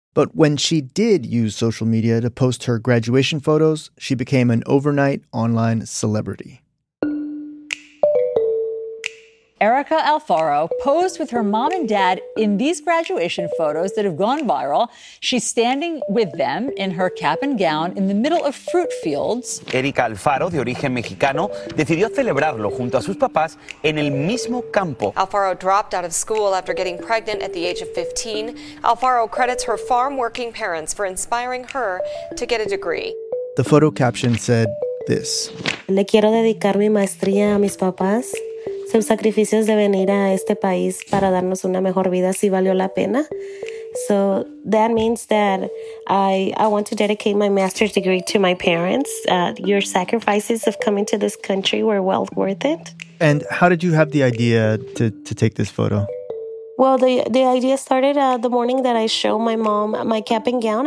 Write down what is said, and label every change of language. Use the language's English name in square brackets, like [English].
[English] But when she did use social media to post her graduation photos, she became an overnight online celebrity. Erica Alfaro posed with her mom and dad in these graduation photos that have gone viral. She's standing with them in her cap and gown in the middle of fruit fields. [Spanish] Erica Alfaro, de origen mexicano, decidió celebrarlo junto a sus papás en el mismo campo. [English] Alfaro dropped out of school after getting pregnant at the age of 15. Alfaro credits her farm-working parents for inspiring her to get a degree. The photo caption said this. [Spanish] Le quiero dedicar mi maestría a mis papás. Sus sacrificios de venir a este país para darnos una mejor vida sí valió la pena. [English] So that means that I want to dedicate my master's degree to my parents. Your sacrifices of coming to this country were well worth it. And how did you have the idea to take this photo? Well, the idea started the morning that I show my mom my cap and gown.